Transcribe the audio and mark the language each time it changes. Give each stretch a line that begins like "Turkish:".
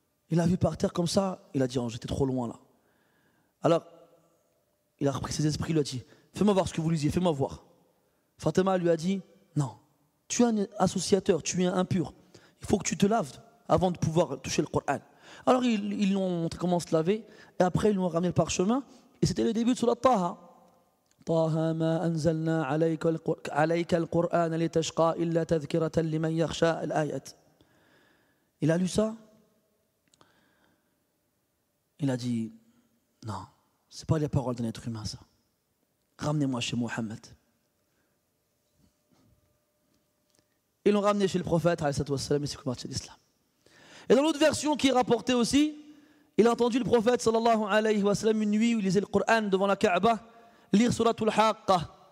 French: Il l'a vu par terre comme ça, il a dit oh, j'étais trop loin là. Alors, il a repris ses esprits, il lui a dit fais-moi voir ce que vous lisiez, fais-moi voir. Fatima lui a dit non, tu es un associateur, tu es impur. Il faut que tu te laves avant de pouvoir toucher le Coran. Alors, ils l'ont montré comment se laver, et après, ils l'ont ramené le parchemin, et c'était le début de Surat Taha.
Arabic: طه ما أنزلنا عليك القرآن لتشقى إلا تذكرة لمن يخشى الآية.
French: Il a lu ça. Il a dit, non, c'est pas les paroles d'un être humain ça. Ramenez-moi chez Mohammed. Ils l'ont ramené chez le prophète, عليه الصلاة والسلام, et c'est converti à l'islam. Et dans l'autre version qui est rapportée aussi, il a entendu le prophète, sallallahu alayhi wa sallam, une nuit où il lisait le Coran devant la Kaaba, lire surat al-Haqqa.